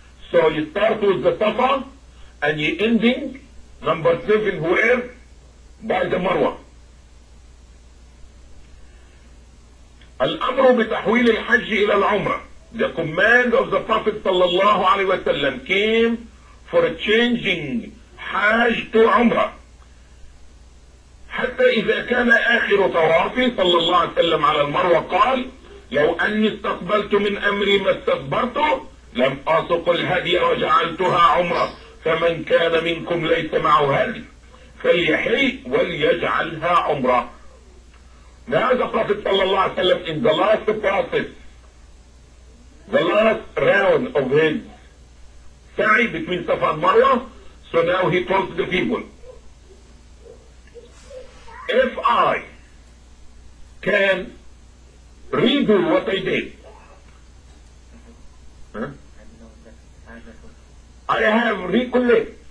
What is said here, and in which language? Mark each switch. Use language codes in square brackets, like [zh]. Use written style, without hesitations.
[en] So you start with the Safa and you're ending number seven where? By the Marwa. [ar] Al-Amru bitahwil al-Hajj ila al-Umrah. [en] The command of the Prophet sallallahu alaihi wasallam came for changing Hajj to Umrah. [ar] حتى إذا كان آخر طوافي صلى الله عليه وسلم على المروة قال لو أني استقبلت من أمري ما استدبرته لم أسق الهدي وجعلتها عمرة فمن كان منكم ليس معه هدي فليحل وليجعلها عمرة. [en] Now the Prophet [ar] صلى الله عليه وسلم [en] in the last process, the last round of his sa'i between Safa and Marwa, so now he told the people, if I can redo what I did, I have recollect.